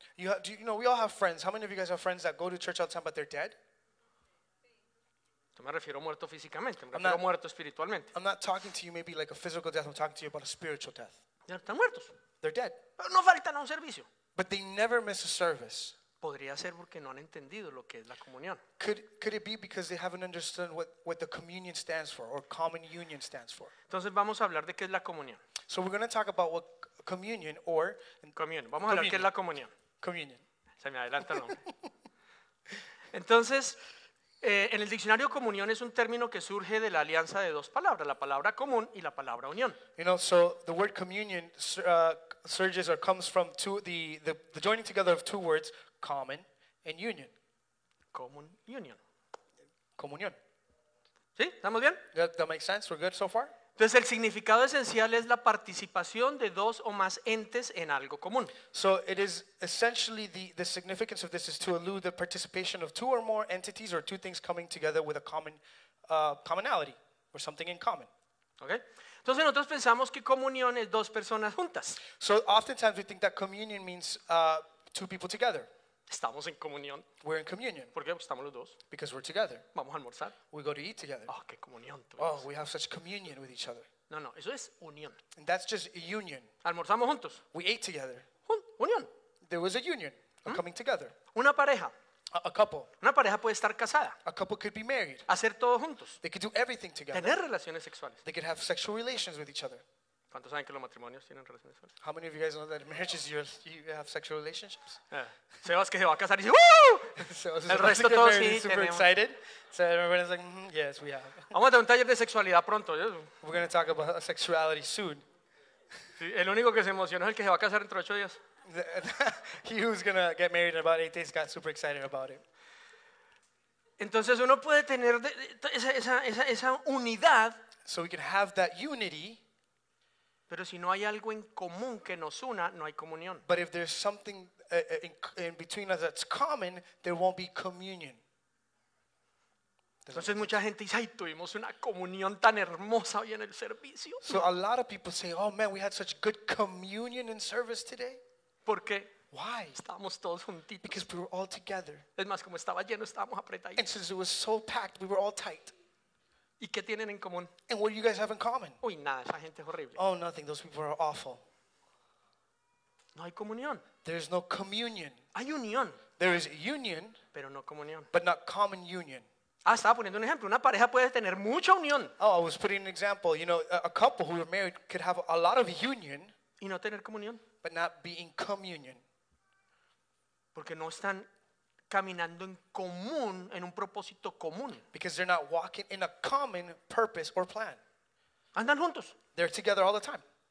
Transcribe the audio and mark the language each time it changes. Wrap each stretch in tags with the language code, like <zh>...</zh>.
<en>You know, we all have friends. How many of you guys have friends that go to church all the time but they're dead?</en> <es>Yo me refiero muerto físicamente, me refiero muerto espiritualmente.</es> <en>I'm not talking to you maybe like a physical death, I'm talking to you about a spiritual death.</en> <es>Ya están muertos.</es> <en>They're dead.</en> <es>Pero no faltan a un servicio.</es> <en>But they never miss a service.</en> <es>Podría ser porque no han entendido lo que es la comunión.</es> <en>Could it be because they haven't understood what the communion stands for or common union stands for?</en> <es>Entonces vamos a hablar de qué es la comunión.</es> <en>So we're going to talk about what communion or communion.</en> <es>Vamos a hablar qué es la comunión.</es> <en>Communion.</en> <es>Se me adelanta el nombre. Entonces, en el diccionario comunión es un término que surge de la alianza de dos palabras, la palabra común y la palabra unión.</es> <en>You know, so the word communion surges or comes from the joining together of two words, common and union.</en> <es>Comunión. Comunión. ¿Sí? ¿Estamos bien?</es> <en>That makes sense. We're good so far.</en> <es>Entonces el significado esencial es la participación de dos o más entes en algo común.</es> <en>So it is essentially the significance of this is to allude the participation of two or more entities or two things coming together with a common commonality or something in common. Okay.</en> <es>Entonces nosotros pensamos que comunión es dos personas juntas.</es> <en>So oftentimes we think that communion means two people together.</en> <es>Estamos en comunión.</es> <en>We're in communion.</en> <es>¿Por qué? Pues estamos los dos.</es> <en>Because we're together.</en> <es>Vamos a almorzar.</es> <en>We go to eat together.</en> <es>Oh, qué comunión.</es> <en>Oh, we have such communion with each other.</en> <es>No, no, eso es unión.</es> <en>And that's just a union.</en> <es>Almorzamos juntos.</es> <en>We ate together.</en> <es>Unión.</es> <en>There was a union, a coming together.</en> <es>Una pareja.</es> <en>A couple.</en> <es>Una pareja puede estar casada.</es> <en>A couple could be married.</en> <es>Hacer todo juntos.</es> <en>They could do everything together.</en> <es>Tener relaciones sexuales.</es> <en>They could have sexual relations with each other.</en> <es>¿Cuántos saben que los matrimonios tienen relaciones sexuales?</es> <en>How many of you guys know that marriages you have sexual relationships?</en> <es>Sebas que se va a casar y dice, ¡woo! Sebas el resto todo sí, super tenemos.</es> <en>Excited. So everybody's like, yes, we have.</en> <es>Vamos a tener un taller de sexualidad pronto.</es> <en>We're going to talk about sexuality soon.</en> <es>Sí, el único que se emociona es el que se va a casar dentro de 8 días.</es> <en>He who's going to get married in about 8 days got super excited about it.</en> <es>Entonces uno puede tener esa unidad.</es> <en>So we can have that unity.</en> <es>Pero si no hay algo en común que nos una, no hay comunión.</es> <en>But if there's something in between us that's common, there won't be communion.</en> <es>Entonces mucha gente dice, ay, tuvimos una comunión tan hermosa hoy en el servicio.</es> <en>So a lot of people say, oh man, we had such good communion in service today.</en> <es>¿Por qué?</es> <en>Why?</en> <es>Estábamos todos juntitos.</es> <en>Because we were all together.</en> <es>Es más, como estaba lleno, estábamos apretados.</es> <en>And since it was so packed, we were all tight.</en> <es>¿Y qué tienen en común?</es> <en>And what do you guys have in common?</en> <es>Uy, nada, esa gente es horrible.</es> <en>Oh, nothing. Those people are awful.</en> <es>No hay comunión.</es> <en>There's no communion.</en> <es>Hay unión.</es> <en>There is union.</en> <es>Pero no comunión.</es> <en>But not common union.</en> <es>Ah, estaba poniendo un ejemplo. Una pareja puede tener mucha unión.</es> <en>Oh, I was putting an example. You know, a couple who are married could have a lot of union.</en> <es>Y no tener comunión.</es> <en>But not be in communion.</en> <es>Porque no están caminando en común, en un propósito común.</es> <en>Because they're not walking in a common purpose or plan.</en> <es>Andan juntos.</es> <en>They're together all the time.</en>